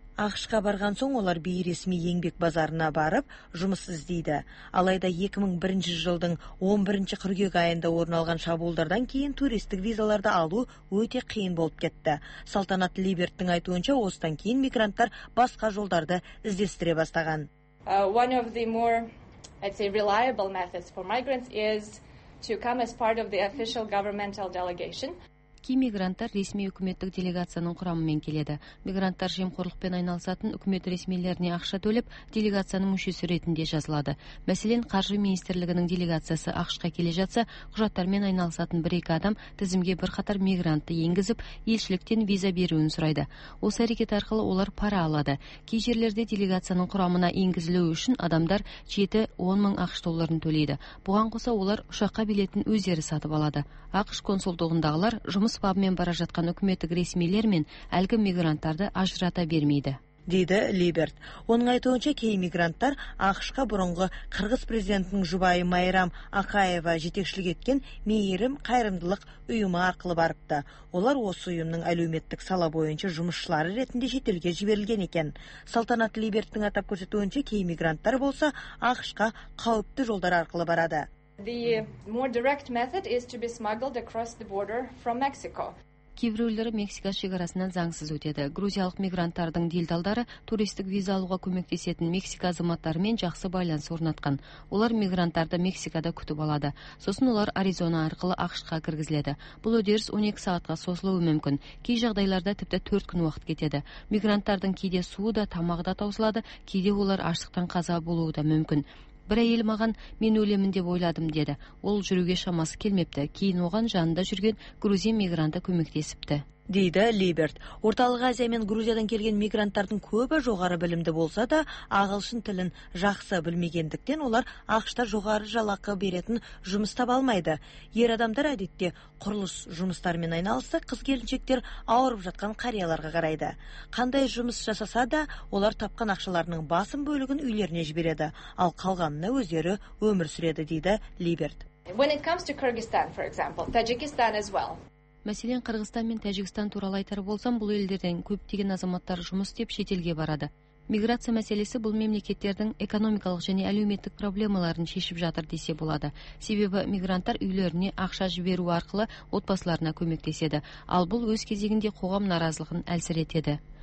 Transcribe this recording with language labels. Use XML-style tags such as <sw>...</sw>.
<kk>Ақшқа барған соң олар бейресми еңбек базарына барып жұмыс іздейді. Алайда 2001 жылдың 11 қыркүйек айында орын алған шабуылдардан кейін туристік визаларды алу өте қиын болып кетті. Салтанат Либерттің айтуынша осыдан кейін мигранттар басқа жолдарды іздестіре бастаған.</kk> <en>One of the more, I'd say, reliable methods for migrants is to come as part of the official governmental delegation.</en> <kk>Кей мигранттар ресми үкіметтік делегацияның құрамымен келеді. Мигранттар жемқорлықпен айналысатын үкімет ресмилеріне ақша төлеп, делегацияның мүшесі ретінде жазылады. Мәселен, Қаржы министрлігінің делегациясы Ақшқа келе жатса, құжаттармен айналысатын бір-екі адам тізімге бір қатар мигрантты енгізіп, елшіліктен виза беруін сұрайды. Осы әрекет арқылы олар пара алады. Кей жерлерде делегацияның құрамына енгізілу үшін адамдар 7-10 мың ақш долларын төлейді. Бұған қоса олар ұшаққа билетін өздері сатып алады. Ақш консулдығындағылар жұмыс бабымен бара жатқан үкіметтік ресмилер мен әлгі мигранттарды ажырата бермейді. Дейді Либерт. Оның айтуынша кей мигранттар Ақшқа бұрынғы қырғыз президентінің жұбайы Майрам Ақаева жетекшілік еткен мейірім қайырымдылық ұйымы арқылы барыпты. Олар осы ұйымның әлеуметтік сала бойынша жұмысшылары ретінде шетелге жіберілген екен. Салтанат Либерттің атап көрсетуінше кей мигранттар болса Ақшқа қауіпті жолдар арқылы барады.</kk> <en>The more direct method is to be smuggled across the border from Mexico.</en> <kk>Кейбіреулері Мексика шекарасынан заңсыз өтеді. Грузиялық мигранттардың делдалдары туристік виза алуға көмектесетін Мексика азаматтарымен жақсы байланыс орнатқан. Олар мигранттарды Мексикада күтіп алады. Сосын олар Аризона арқылы Ақшқа кіргізіледі. Бұл үдеріс 12 сағатқа созылуы мүмкін. Кей жағдайларда тіпті 4 күн уақыт кетеді. Мигранттардың кейде суы да, тамағы да таусылады, кейде олар аштықтан қаза болуы да мүмкін. Бір әйел маған мен өлемін деп ойладым деді. Ол жүруге шамасы келмепті. Кейін оған жанында жүрген грузин мигранты көмектесіпті. Дейді Либерт. Орталық Азия мен Грузиядан келген мигранттардың көбі жоғары білімді болса да, ағылшын тілін жақсы білмегендіктен олар Ақшта жоғары жалақы беретін жұмыс таба алмайды. Ер адамдар әдетте құрылыс жұмыстарымен айналысса, қыз-келіншектер ауырып жатқан қарияларға қарайды. Қандай жұмыс жасаса да, олар тапқан ақшаларының басым бөлігін үйлеріне жібереді, ал қалғанына өздері өмір сүреді, дейді Либерт.</kk> <en>When it comes to Kyrgyzstan, for example, Tajikistan as well.</en> <kk>Мәселен, Қырғызстан мен Тәжікстан туралы айтар болсам, бұл елдерден көптеген азаматтар жұмыс істеп шетелге барады. Миграция мәселесі бұл мемлекеттердің экономикалық және әлеуметтік проблемаларын шешіп жатыр десе болады. Себебі мигранттар үйлеріне ақша жіберу арқылы отбасыларына көмектеседі, ал бұл өз кезегінде қоғам наразылығын әлсіретеді.</kk>